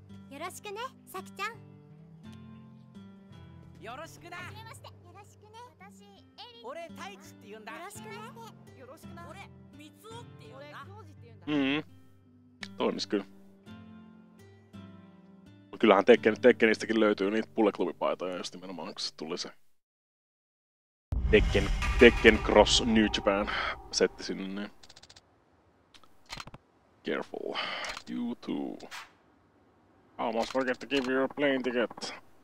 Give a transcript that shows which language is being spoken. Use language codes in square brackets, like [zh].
[ja] よろしくね、さきちゃん。よろしくな。はじめまして。よろしくね。私、エリ。俺、タイチって言うんだ。よろしくね。よろしくな。俺、ミツオって言うんだ。俺、ジョージって言うんだ。 [fi] Toimisi kyllä. Kyllähän Tekkenistäkin löytyy niitä pulleklubipaitoja, just nimenomaan, kun se tuli se Tekken Cross New Japan setti sinne. [en] Careful. You too. Almost forget to give you a plane ticket.